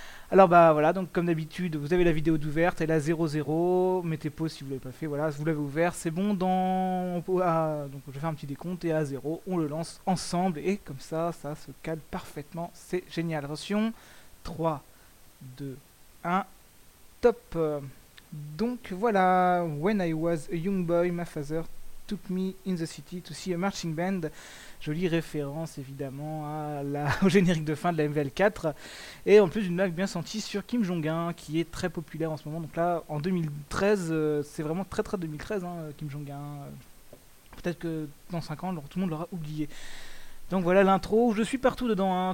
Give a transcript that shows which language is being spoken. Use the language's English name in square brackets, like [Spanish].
[French] Alors voilà, donc comme d'habitude, vous avez la vidéo d'ouverte, elle est à 0-0, mettez pause si vous ne l'avez pas fait, voilà, vous l'avez ouvert, c'est bon, donc je vais faire un petit décompte, et à 0, on le lance ensemble, et comme ça, ça se cale parfaitement, c'est génial. Attention, 3, 2, 1, top. Donc voilà, [English] when I was a young boy, my father took me in the city to see a marching band. [French] Jolie référence évidemment au générique de fin de la MVL4, et en plus une blague bien sentie sur Kim Jong-un qui est très populaire en ce moment. Donc là en 2013, c'est vraiment très très 2013, hein, Kim Jong-un. Peut-être que dans 5 ans tout le monde l'aura oublié. Donc voilà l'intro, je suis partout dedans, hein.